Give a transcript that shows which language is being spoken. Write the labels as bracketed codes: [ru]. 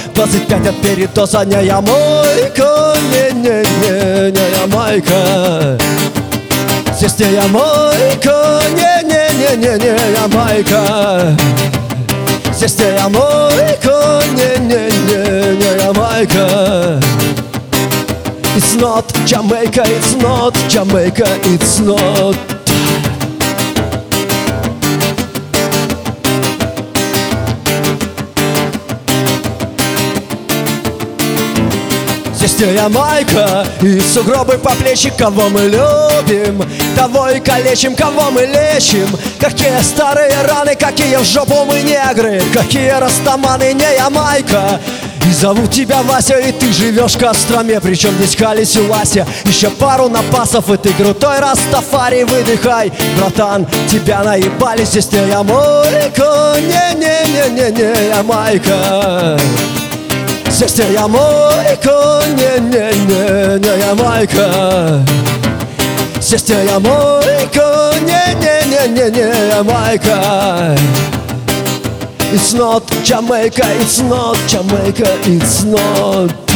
[ru] 25 от передоза. Не Ямайка, не Ямайка. Здесь не Ямайка, не Ямайка. Здесь не Ямайка, не Ямайка. [en] It's not Jamaica, it's not Jamaica, it's not. [ru] Здесь не Ямайка, и сугробы по плечи, кого мы любим, того и калечим, кого мы лечим. Какие старые раны, какие в жопу мы негры, какие растаманы, не Ямайка. И зовут тебя Вася, и ты живешь в Костроме, причем здесь Халис и Вася. Еще пару напасов, и ты крутой растафари, выдыхай, братан, тебя наебали. Здесь не Ямайка, не Ямайка. Здесь не Ямайка, не Ямайка. Здесь не Ямайка, не Ямайка. [en] It's not Jamaica, it's not Jamaica, it's not.